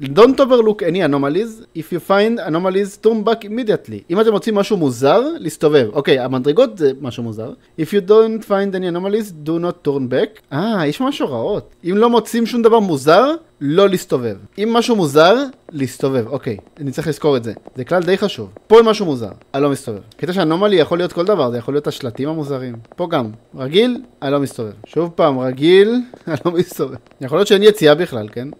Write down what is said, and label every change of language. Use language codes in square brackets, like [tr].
[en] Don't overlook any anomalies. If you find anomalies, turn back immediately. [he] אם אתם רוצים משהו מוזר, להסתובב. אוקיי, המדרגות זה משהו מוזר. [en] If you don't find any anomalies, do not turn back. [he] יש משהו רעות. אם לא מוצאים שום דבר מוזר, לא להסתובב. אם משהו מוזר, להסתובב. אוקיי, אני צריך לזכור את זה. זה כלל די חשוב. פה אם משהו מוזר, אני לא מסתובב. קטע שאנומלי יכול להיות כל דבר, זה יכול להיות השלטים המוזרים. פה גם, רגיל, אני לא מסתובב. שוב פעם, רגיל, אני לא מסתובב. יכול להיות שאין יציאה בכלל, כן?